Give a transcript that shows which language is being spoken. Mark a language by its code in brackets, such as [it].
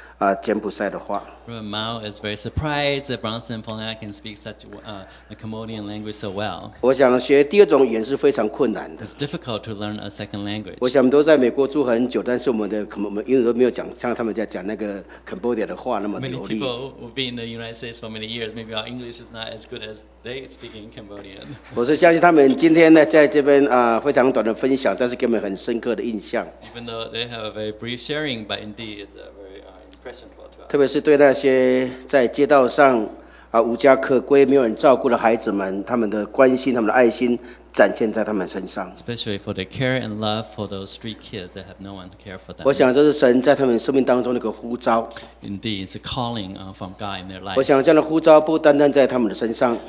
[en] Mao is very surprised that Bronson and Paulina can speak such a Cambodian language so well. It's difficult to learn a second language. Many people have been in the United States for many years. Maybe our English is not as good as they speak in Cambodian. [zh] 我是相信他们今天呢在这边非常短的分享，但是给我们很深刻的印象。 [en] Even though they have a very brief sharing, but indeed it's a very [zh] 特别是对那些在街道上无家可归、没有人照顾的孩子们，他们的关心、他们的爱心展现在他们身上。 [en] Especially for the care and love for those street kids that have no one to care for them. [zh] 我想这是神在他们生命当中的一个呼召。 [en] Indeed, it's a calling from God in their life. [zh] 我想这样的呼召不单单在他们的身上。